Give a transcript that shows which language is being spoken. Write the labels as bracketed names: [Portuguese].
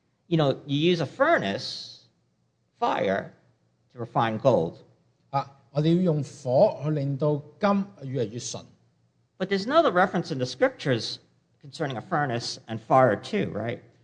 [English] You know, you use a furnace, fire, to refine gold. [Chinese] 我们要用火去令到金越来越纯。 [English] But there's another reference in the scriptures concerning a furnace and fire too, right?